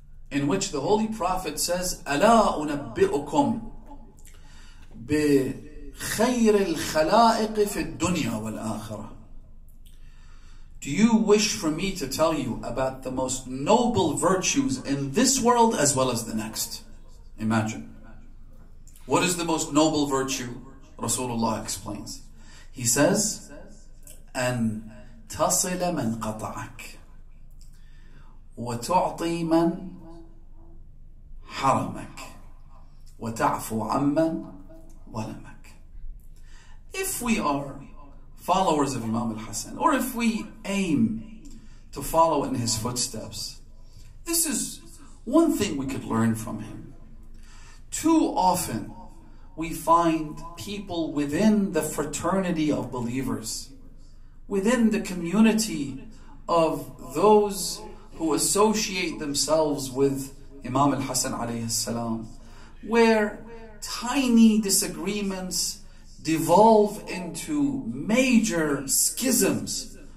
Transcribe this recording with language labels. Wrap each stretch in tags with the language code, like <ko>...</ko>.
<en>In which the Holy Prophet says,</en> <ar>أَلَا أُنَبِّئُكُمْ بِخَيْرِ الْخَلَائِقِ فِي الدُّنْيَا وَالْآخِرَةِ.</ar> <en>Do you wish for me to tell you about the most noble virtues in this world as well as the next? Imagine. What is the most noble virtue? Rasulullah explains. He says,</en> <ar>أن تصل من قطعك وتعطي من حرمك وتعفو عمن ظلمك.</ar> <en>If we are followers of Imam al-Hassan, or if we aim to follow in his footsteps, this is one thing we could learn from him. Too often, we find people within the fraternity of believers, within the community of those who associate themselves with Imam al-Hassan alayhi salam, where tiny disagreements devolve into major schisms</en>